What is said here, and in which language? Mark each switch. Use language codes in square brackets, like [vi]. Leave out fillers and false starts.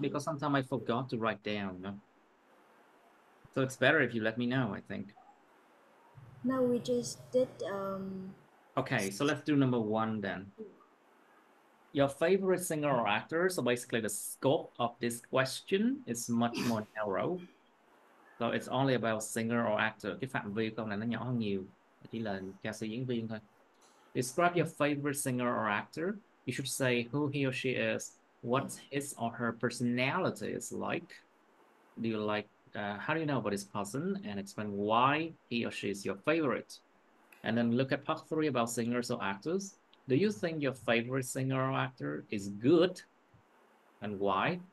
[en] Because sometimes I forgot to write down, no? So it's better if you let me know, I think. No, we just did. Okay, so let's do number one then. Your favorite singer or actor, so basically the scope of this question is much more narrow. So it's only about singer or actor. [vi] Cái phạm vi câu này nó nhỏ hơn nhiều. Chỉ là ca sĩ diễn viên thôi. [en] Describe your favorite singer or actor. You should say who he or she is, what his or her personality is like. Do you like, how do you know about this person? And explain why he or she is your favorite. And then look at part three about singers or actors. Do you think your favorite singer or actor is good? And why?